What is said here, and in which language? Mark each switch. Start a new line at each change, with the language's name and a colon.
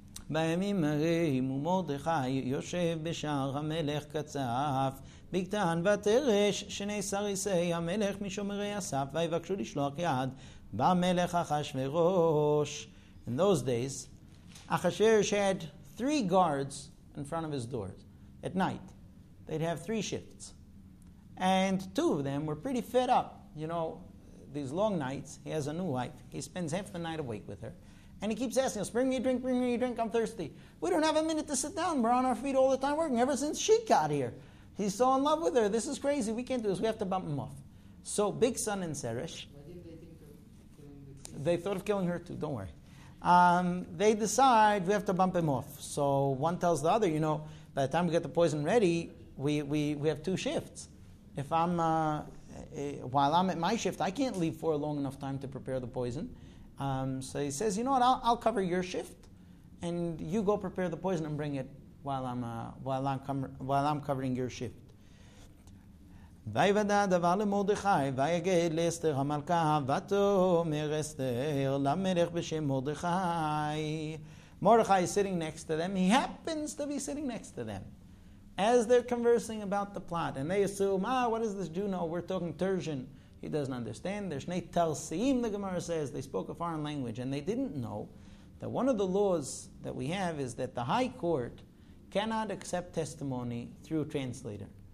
Hebrew: בימים הרים ומרדכי יושב בשער המלך קצף בקטן ותרש שני סריסי המלך משומרי הסף ויבקשו לשלוח יד במלך אחשוורוש.
English: In those days, Ahasuerus had three guards in front of his doors at night. They'd have three shifts. And two of them were pretty fed up. You know, these long nights, he has a new wife. He spends half the night awake with her. And he keeps asking us, bring me a drink, bring me a drink, I'm thirsty. We don't have a minute to sit down. We're on our feet all the time working, ever since she got here. He's so in love with her. This is crazy. We can't do this. We have to bump him off. So Big Son and Zeresh. Why didn't they think of killing the They thought of killing her too. Don't worry. They decide we have to bump him off. So one tells the other, you know, by the time we get the poison ready, we have two shifts. If I'm while I'm at my shift, I can't leave for a long enough time to prepare the poison. So he says, you know what, I'll cover your shift and you go prepare the poison and bring it while I'm covering your shift.
Hebrew: ויבדה דבר למרדכי, ויגד לאסתר המלכה, ותאמר אסתר למלך בשם מרדכי.
English: Mordechai is sitting next to them. He happens to be sitting next to them as they're conversing about the plot. And they assume, what does this Jew know? We're talking Persian. He doesn't understand. There's Shnei Talsiim, the Gemara says. They spoke a foreign language. And they didn't know that one of the laws that we have is that the high court cannot accept testimony through a translator.